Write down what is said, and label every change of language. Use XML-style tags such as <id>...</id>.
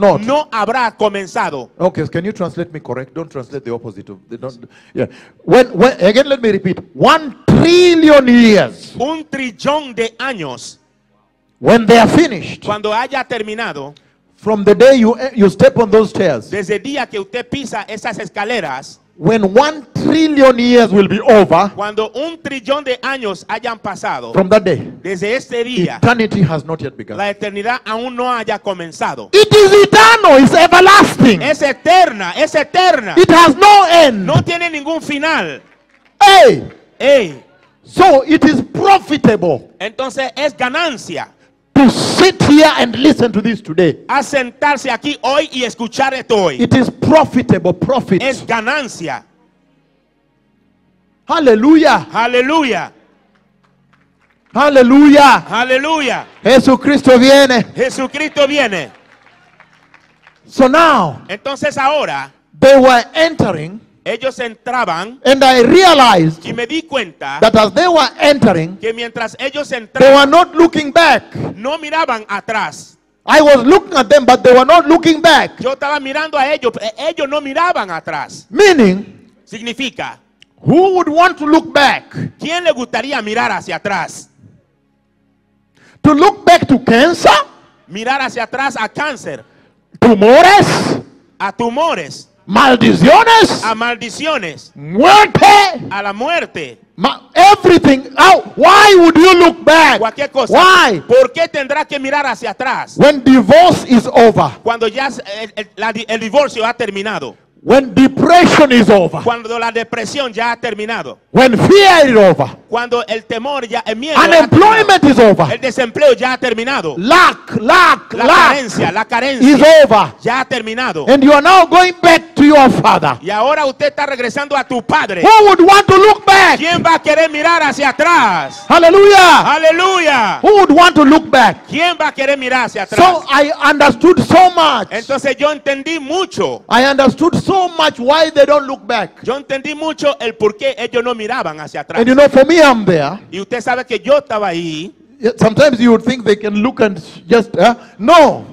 <es>No habrá comenzado.</es> <en>Okay, can you translate me correct? Don't translate the opposite of. When let me repeat. 1 trillion years.</en> <es>Un trillón de años.</es> <en>When they are finished.</en> <es>Cuando haya terminado.</es> <en>From the day you step on those stairs.</en> <es>Desde el día que usted pisa esas escaleras.</es> <en>When 1 trillion years will be over.</en> <es>Cuando un trillón de años hayan pasado.</es> <en>From that day.</en> <es>Desde ese día.</es> <en>Eternity has not yet begun.</en> <es>La eternidad aún no haya comenzado.</es> <en>It is eternal. It's everlasting.</en> <es>Es eterna. Es eterna.</es> <en>It has no end.</en> <es>No tiene ningún final. Hey. Hey.</es> <en>So it is profitable.</en> <es>Entonces es ganancia.</es> <en>To sit here and listen to this today.</en> <es>A sentarse aquí hoy y escuchar esto hoy.</es> <en>It is profitable, profit.</en> <es>Es ganancia. Hallelujah. Hallelujah. Hallelujah. Hallelujah. Jesucristo viene. Jesucristo viene.</es> <en>So now.</en> <es>Entonces ahora.</es> <en>They were entering.</en> <es>Ellos entraban,</es> <en>and I realized,</en> <es>y me di cuenta,</es> <en>that as they were entering,</en> <es>que mientras ellos entraban,</es> <en>they were not looking back.</en> <es>No miraban atrás.</es> <en>I was looking at them, but they were not looking back.</en> <es>Yo estaba mirando a ellos, ellos no miraban atrás.</es> <en>Meaning,</en> <es>significa,</es> <en>who would want to look back?</en> <es>¿Quién le gustaría mirar hacia atrás?</es> <en>To look back to cancer?</en> <es>Mirar hacia atrás a cáncer. Tumores? A tumores. Maldiciones. A maldiciones. Muerte. A la muerte.</es> <en>Everything. Oh, why would you look back?</en> <es>Cualquier cosa.</es> <en>Why?</en> <es>¿Por qué tendrá que mirar hacia atrás?</es> <en>When divorce is over.</en> <es>Cuando ya el divorcio ha terminado.</es> <en>When depression is over.</en> <es>Cuando la depresión ya ha terminado.</es> <en>When fear is over.</en> <es>Cuando el temor ya, el miedo.</es> <en>Unemployment is over.</en> <es>El desempleo ya ha terminado.</es> <en>Lack.</en> <es>La carencia.</es> <en>Is over.</en> <es>Ya ha terminado.</es> <en>And you are now going back to your father.</en> <es>Y ahora usted está regresando a tu padre.</es> <en>Who would want to look back?</en> <es>¿Quién va a querer mirar hacia atrás? Hallelujah. Hallelujah.</es> <en>Who would want to look back?</en> <es>¿Quién va a querer mirar hacia atrás?</es> <en>So I understood so much.</en> <es>Entonces yo entendí mucho.</es> <en>I understood so much why they don't look back.</en> <es>Yo entendí mucho el por qué ellos no miraban hacia atrás.</es> <en>And you know, for me, I'm there.</en> <es>Y usted sabe que yo estaba ahí.</es> <en>Sometimes you would think they can look and just no.</en>